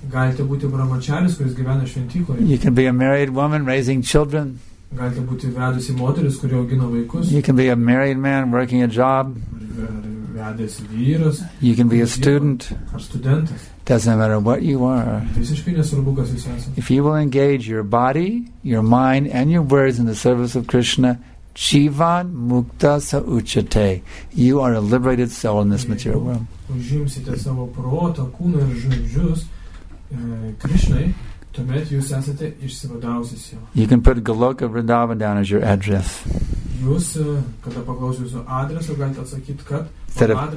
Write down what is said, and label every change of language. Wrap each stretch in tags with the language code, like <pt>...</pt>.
<lt>Galite būti brahmacharis, kuris gyvena šventykloje.</lt> <en>You can be a married woman raising children.</en> <lt>Galite būti vedusi moteris, kuri augina vaikus.</lt> <en>You can be a married man working a job.</en> <lt>Vedęs vyras.</lt> <en>You can be a student.</en> <lt>Ar studentas.</lt> <en>Doesn't matter what you are.</en> <lt>Visiškai nesvarbu, kas jūs esate.</lt> <en>If you will engage your body, your mind, and your words in the service of Krishna,</en> <sa>Jivan mukta sa uchate.</sa> <en>You are a liberated soul in this material world.</en> <lt>Užimsite savo protą, kūną ir žodžius Krishnai, tuomet jūs esate išsivadavusi siela.</lt> <en>You can put Goloka Vrindavan down as your address.</en> <lt>Jūs, kada paklausiu jūsų adresą, galite atsakyti, kad</lt>